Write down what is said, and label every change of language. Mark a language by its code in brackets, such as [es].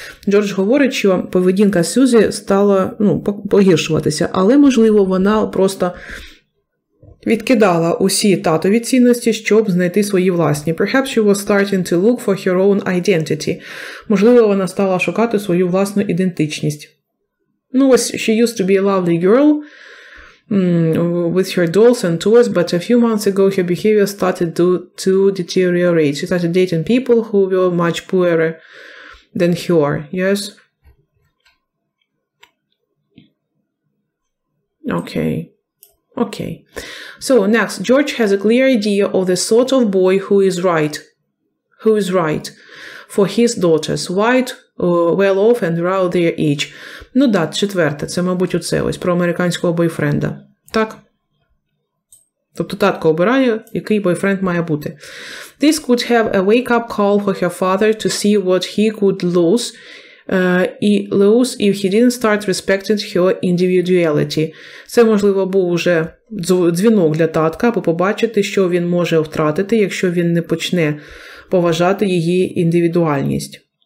[uk] Джордж говорить, що поведінка Сюзі стала, ну, погіршуватися, але, можливо, вона просто відкидала усі татові цінності, щоб знайти свої власні. [en] Perhaps she was starting to look for her own identity. [uk] Можливо, вона стала шукати свою власну ідентичність. Ну, ось, [en] she used to be a lovely girl with her dolls and toys, but a few months ago her behavior started to deteriorate. She started dating people who were much poorer than her. Yes? Okay. Okay. So, next. George has a clear idea of the sort of boy who is right. Who is right for his daughters. White, well off and around their age. [uk] Ну да, четверте, це, мабуть, оце ось, про американського бойфренда. Так? Тобто татко обирає, який бойфренд має бути. [en] This could have a wake-up call for her father to see what he could lose if he didn't start respecting her individuality. [uk] Це, можливо, був уже дзвінок для татка, аби побачити, що він може втратити, якщо він не почне поважати її індивідуальність.